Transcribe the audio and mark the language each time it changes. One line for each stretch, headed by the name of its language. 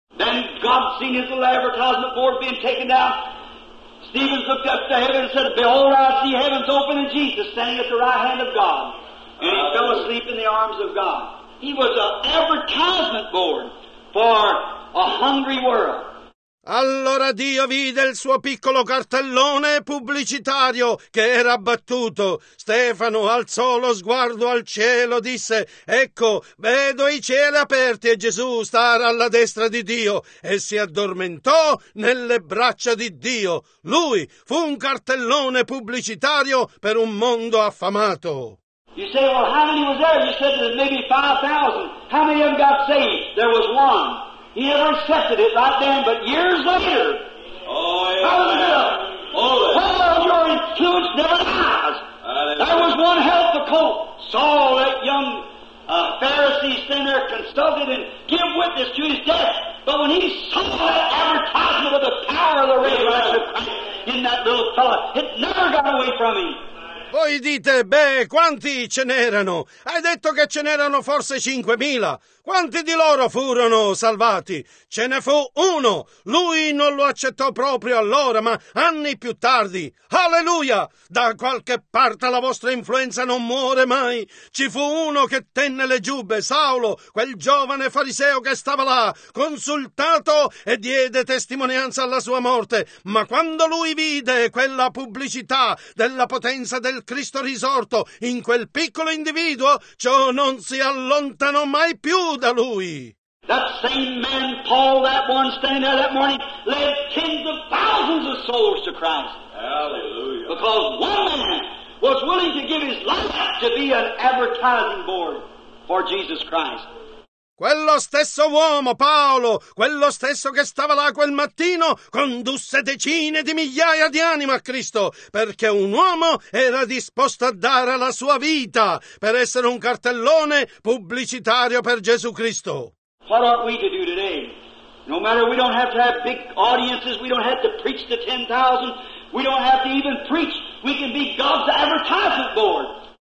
English: Then God seen his little advertisement board being taken down. Stephen looked up to heaven and said, Behold, I see heaven's open and Jesus standing at the right hand of God. And he fell asleep in the arms of God. He was an advertisement board for a hungry world.
Italian: Allora Dio vide il suo piccolo cartellone pubblicitario che era abbattuto. Stefano alzò lo sguardo al cielo, disse, ecco, vedo i cieli aperti e Gesù stare alla destra di Dio, e si addormentò nelle braccia di Dio. Lui fu un cartellone pubblicitario per un mondo affamato.
English: You say, well, how many was there? You said there's maybe 5,000. How many of them got saved? There was one. He never accepted it right then, but years later, Hallelujah! Oh, well, your influence never dies. There was one helper, Colt. Saul, that young Pharisee, stand there, consulted and give witness to his death. But when he saw that advertisement of the power of the resurrection in that little fellow, it never got away from him.
Italian: Voi dite, quanti ce n'erano? Hai detto che ce n'erano forse 5,000. Quanti di loro furono salvati? Ce ne fu uno. Lui non lo accettò proprio allora, ma anni più tardi. Alleluia! Da qualche parte la vostra influenza non muore mai. Ci fu uno che tenne le giubbe, Saulo, quel giovane fariseo che stava là, consultato e diede testimonianza alla sua morte. Ma quando lui vide quella pubblicità della potenza del Cristo risorto in quel piccolo individuo, ciò non si allontanò mai più da lui.
English: That same man, Paul, that one standing there that morning, led tens of thousands of souls to Christ. Hallelujah. Because one man was willing to give his life to be an advertising board for Jesus Christ.
Italian: Quello stesso uomo, Paolo, quello stesso che stava là quel mattino, condusse decine di migliaia di anime a Cristo, perché un uomo era disposto a dare la sua vita per essere un cartellone pubblicitario per Gesù Cristo.
English: What ought we to do today? No matter, we don't have to have big audiences, we don't have to preach to 10,000, we don't have to even preach, we can be God's advertisement board.